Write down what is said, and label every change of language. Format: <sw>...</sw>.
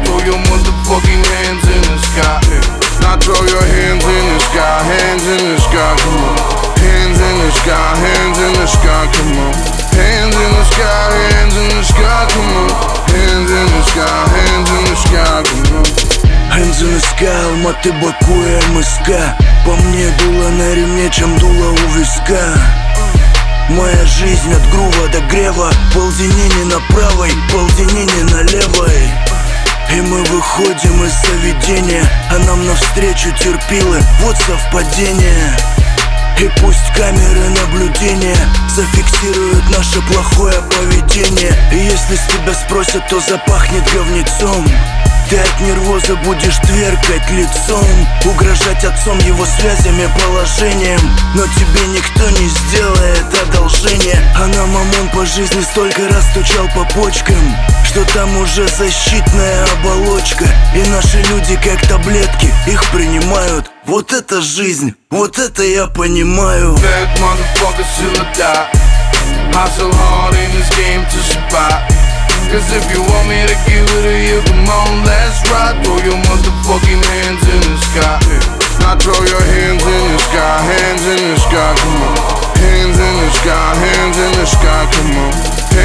<en>Throw your motherfucking hands in the sky. Now throw your hands in the sky, hands in the sky, come on. Hands in the sky, hands in the sky, come on. Hands in the sky, hands in the sky, come on. Hands in the sky, hands in the sky, come on. Hands in the sky,</en> <ru>Алматы, Баку и МСК. По мне дуло на ремне, чем дуло у виска. Моя жизнь от грува до грева. Ползини не на правой, ползини не на левой. И мы выходим из заведения, а нам навстречу терпилы, вот совпадение. И пусть камеры наблюдения зафиксируют наше плохое поведение. И если с тебя спросят, то запахнет говнецом. Ты от нервоза будешь тверкать лицом. Угрожать отцом его связями, положением. Но тебе никто не сделает одолжение. А нам ОМОН по жизни столько раз стучал по почкам, что там уже защитная оболочка. И наши люди как таблетки их принимают. Вот это жизнь, вот это я понимаю.</ru> <en>Bad motherfuckers till I die. Hustle hard in this game to survive. Cause if you want me to give it to you, come on, let's ride. Throw your motherfucking hands in the sky. Now throw your hands in the sky, hands in the sky, come on. Hands in the sky, hands in the sky, come on.</en>